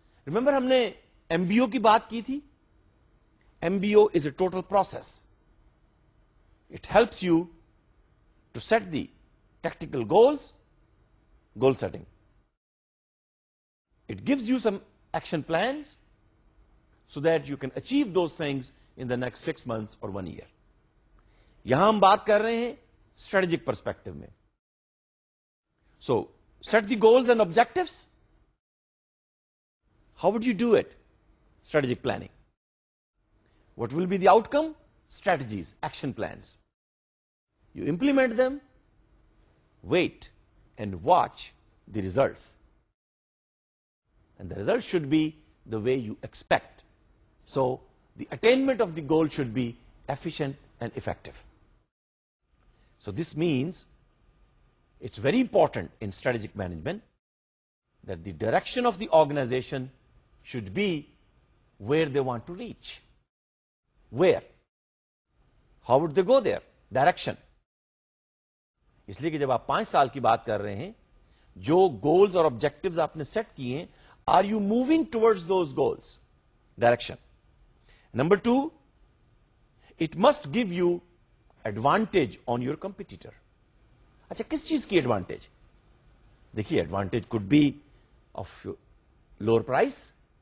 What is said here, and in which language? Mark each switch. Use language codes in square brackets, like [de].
[en] Remember [ur] ہم نے MBO کی بات کی تھی. [en] MBO is a total process. It helps you to set the tactical goals, goal setting. It gives you some action plans so that you can achieve those things in the next 6 months or 1 year. [ur] یہاں ہم بات کر رہے ہیں strategic perspective میں. [en] So set the goals and objectives, how would you do it? Strategic planning. What will be the out come? Strategies, action plans. You implement them, wait and watch the results, and the result showed be the way you expect. So the attainment of the goal should be efficient and effective. So this means it's very important in strategic management that the direction of the organization should be where they want to reach. Where? How would they go there? Direction. [ur] اس لیے کہ جب آپ 5 saal کی بات کر رہے ہیں, جو goals اور objectives آپ نے set کیے ہیں, [en] are you moving towards those goals? Direction. Number 2, it must give you advantage on your competitor. [ur] Achha, kis cheez ki advantage? Dekhiye, [en] advantage could be of your lower price.